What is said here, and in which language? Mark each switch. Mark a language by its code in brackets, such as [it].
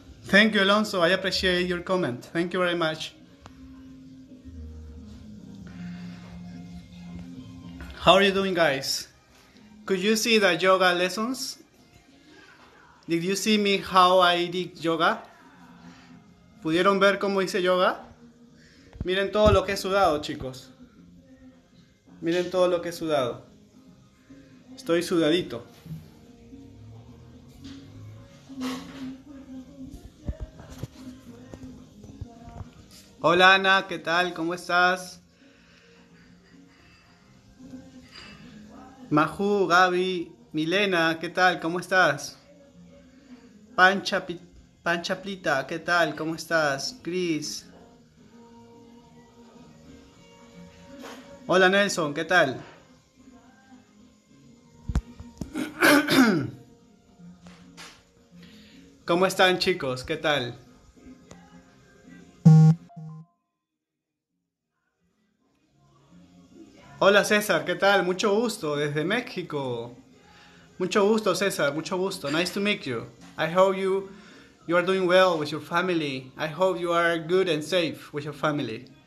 [en] Thank you, Alonso, I appreciate your comment. Thank you very much. How are you doing, guys? Could you see the yoga lessons? Did you see me how I did yoga? [es] ¿Pudieron ver cómo hice yoga? Miren todo lo que he sudado, chicos. Miren todo lo que he sudado. Estoy sudadito. Hola, Ana, ¿qué tal? ¿Cómo estás? Maju, Gaby, Milena, ¿qué tal? ¿Cómo estás? Pancha Plita, ¿qué tal? ¿Cómo estás? Chris. Hola Nelson, ¿qué tal? ¿Cómo están chicos? ¿Qué tal? Hola César, ¿qué tal? Mucho gusto desde México. Mucho gusto César, mucho gusto. [en] Nice to meet you. I hope you are doing well with your family. I hope you are good and safe with your family.